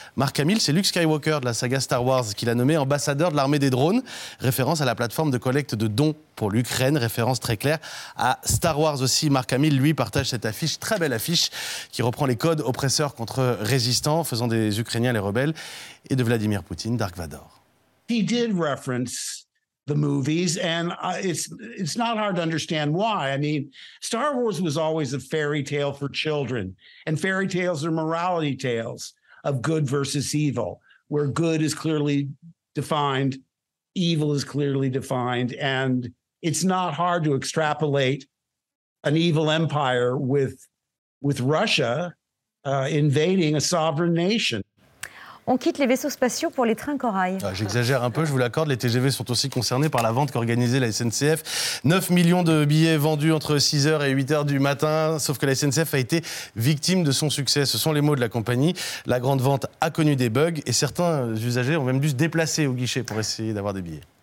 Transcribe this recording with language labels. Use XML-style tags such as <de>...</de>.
<fr>Mark Hamill, c'est Luke Skywalker de la saga Star Wars qu'il a nommé ambassadeur de l'armée des drones. Référence à la plateforme de collecte de dons pour l'Ukraine. Référence très claire à Star Wars aussi. Mark Hamill, lui, partage cette affiche, très belle affiche, qui reprend les codes oppresseurs contre résistants, faisant des Ukrainiens les rebelles, et de Vladimir Poutine, Dark Vador.</fr> <en>He did reference the movies, and it's not hard to understand why. I mean, Star Wars was always a fairy tale for children, and fairy tales are morality tales of good versus evil, where good is clearly defined, evil is clearly defined, and it's not hard to extrapolate an evil empire with Russia invading a sovereign nation.</en> <fr>On quitte les vaisseaux spatiaux pour les trains corail. Ah, j'exagère un peu, je vous l'accorde. Les TGV sont aussi concernés par la vente qu'organisait la SNCF. 9 millions de billets vendus entre 6h et 8h du matin. Sauf que la SNCF a été victime de son succès. Ce sont les mots de la compagnie. La grande vente a connu des bugs et certains usagers ont même dû se déplacer au guichet pour essayer d'avoir des billets.</fr>